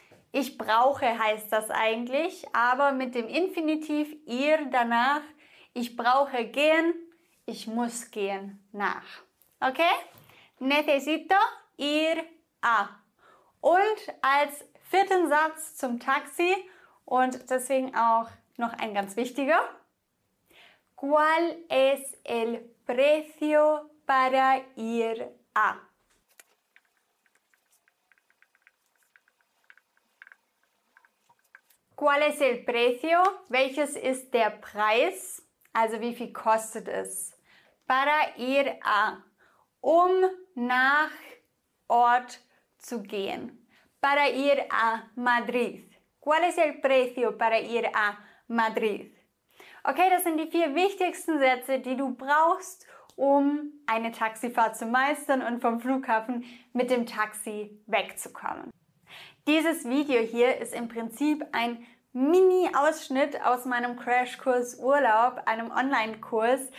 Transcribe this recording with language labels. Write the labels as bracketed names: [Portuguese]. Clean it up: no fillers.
[German] Ich brauche heißt das eigentlich, aber mit dem Infinitiv ir danach. Ich brauche gehen, ich muss gehen nach. Okay? [Spanish] Necesito ir a. [German] Und als vierten Satz zum Taxi und deswegen auch noch ein ganz wichtiger. [Spanish] ¿Cuál es el precio para ir a? ¿Cuál es el precio? [German] Welches ist der Preis? Also wie viel kostet es? [Spanish] Para ir a. [German] Um nach Ort zu gehen. [Spanish] Para ir a Madrid. ¿Cuál es el precio para ir a Madrid? [German] Okay, das sind die vier wichtigsten Sätze, die du brauchst, um eine Taxifahrt zu meistern und vom Flughafen mit dem Taxi wegzukommen. Dieses Video hier ist im Prinzip ein Mini-Ausschnitt aus meinem Crashkurs Urlaub, einem Online-Kurs.